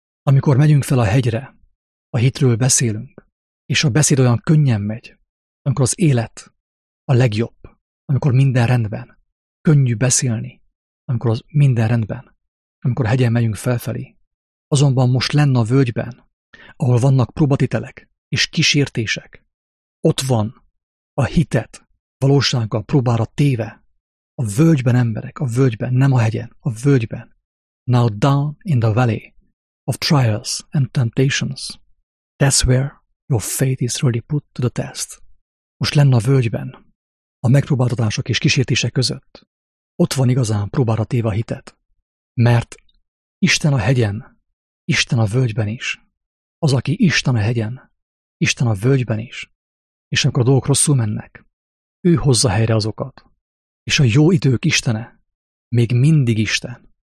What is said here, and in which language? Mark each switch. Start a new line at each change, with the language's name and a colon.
Hungarian: Amikor megyünk fel a hegyre, a hitről beszélünk, és a beszéd olyan könnyen megy, amikor az élet a legjobb, amikor minden rendben, könnyű beszélni, amikor az minden rendben, amikor a hegyen megyünk felfelé. Azonban most lenn a völgyben, ahol vannak próbatitelek és kísértések, ott van a hitet valósággal próbára téve, a völgyben emberek, a völgyben, nem a hegyen, a völgyben.
English: Now down in the valley of trials and temptations, that's where your faith is really put to the test.
Hungarian: Most lenne a völgyben, a megpróbáltatások és kísértések között, ott van igazán próbára téve a hitet, mert Isten a hegyen, Isten a völgyben is, az, aki Isten a hegyen, Isten a völgyben is, és amikor a dolgok rosszul mennek, ő hozza helyre azokat, és a jó idők Istene még mindig Isten.